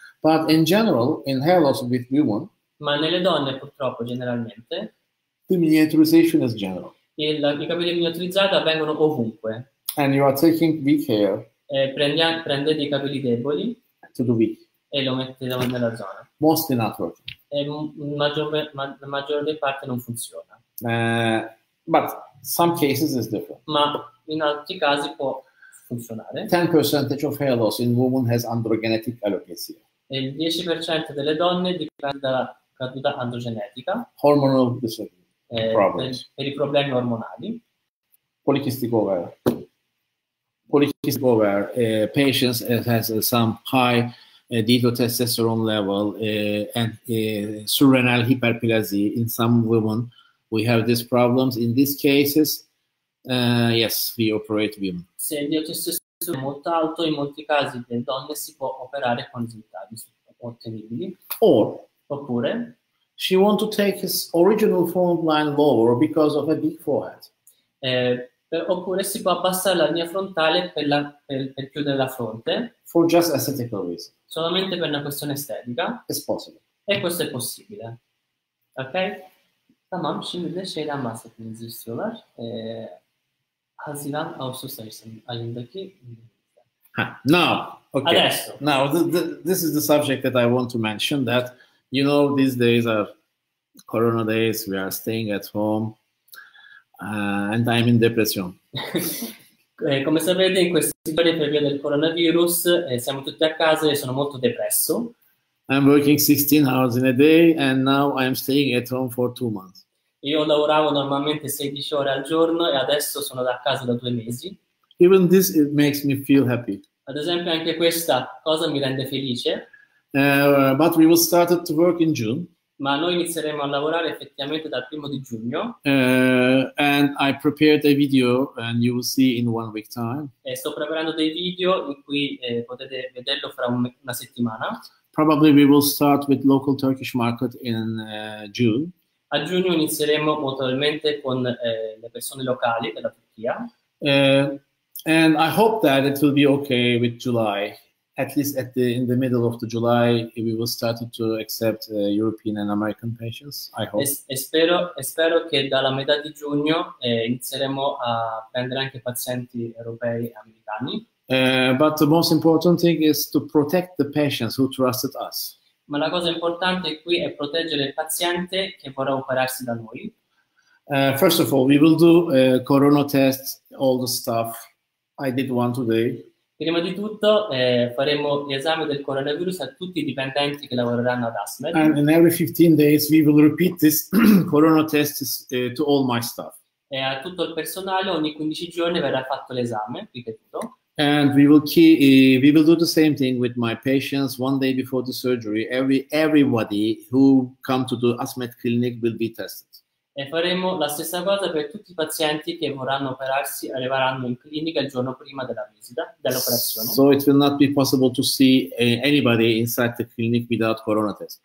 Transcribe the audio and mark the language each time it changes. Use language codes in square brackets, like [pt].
[en] But in general, in hair loss with women, [it] Ma nelle donne, purtroppo, generalmente, [en] the miniaturization is general. [it] i capelli miniaturizzati avvengono ovunque. [en] And you are taking weak hair [it] Prendete i capelli deboli [en] to the weak. [it] e lo mettete nella zona. [en] Mostly not working. [it] E la maggior parte non funziona. [en] But some cases is different. [it] Ma in altri casi può funzionare. [en] 10% of hair loss in women has androgenetic alopecia. [it] E il 10% delle donne dipende dalla caduta androgenetica [en] Hormonal disorder, problems. [it] per i problemi ormonali. [en] Polycystic ovary. Polycystic ovary, patients has some high diethyl testosterone level and surrenal hyperplasy in some women. We have these problems. In these cases, yes, we operate women. [it] Se il diotestosterone è molto alto, in molti casi delle donne si può operare con risultati ottenibili. [en] Or, [it] Oppure, [en] she wants to take his original frontline lower because of a big forehead. [it] Oppure si può abbassare la linea frontale per chiudere la fronte, [en] For just aesthetical reasons. [it] solamente per una questione estetica, [en] It's possible. [it] e questo è possibile. Ok? [tr] Tamam, şimdi de şeyden bahsetmenizi istiyorlar. Haziran, Ağustos ayındaki... [en] Now, okay. [it] Adesso. [en] Now, this is the subject that I want to mention, that, you know, these days are corona days, we are staying at home, and I'm in depression. [it] Come sapete, in questi giorni, per via del coronavirus, siamo tutti a casa e sono molto depresso. [en] I'm working 16 hours in a day, and now I'm staying at home for 2 months. [it] Io lavoravo normalmente 16 ore al giorno e adesso sono da casa da 2 mesi. [en] Even this it makes me feel happy. [it] Ad esempio anche questa cosa mi rende felice. [en] But we will start to work in June. [it] Ma noi inizieremo a lavorare effettivamente dal 1° di giugno. [en] And I prepared a video and you will see in 1 week time. [it] E sto preparando dei video in cui potete vederlo fra una settimana. [en] Probably we will start with local Turkish market in June. [it] A giugno inizieremo naturalmente con le persone locali della Turchia. [en] And I hope that it will be okay with July. At least in the middle of the July, we will start to accept European and American patients, I hope. [it] E spero che dalla metà di giugno inizieremo a prendere anche pazienti europei e americani. [en] But the most important thing is to protect the patients who trusted us. [it] Ma la cosa importante qui è proteggere il paziente che vorrà operarsi da noi. [en] First of all, we will do corona tests, all the stuff. I did one today. [it] Prima di tutto faremo l'esame del coronavirus a tutti i dipendenti che lavoreranno ad ASMED. [en] And in every 15 days we will repeat this corona test to all my staff. [it] E a tutto il personale ogni 15 giorni verrà fatto l'esame, ripetuto. [en] And we will do the same thing with my patients 1 day before the surgery. Everybody who come to the ASMED clinic will be tested. [it] E faremo la stessa cosa per tutti i pazienti che vorranno operarsi, arriveranno in clinica il giorno prima della visita, dell'operazione. [en] So it will not be possible to see anybody inside the clinic without corona test.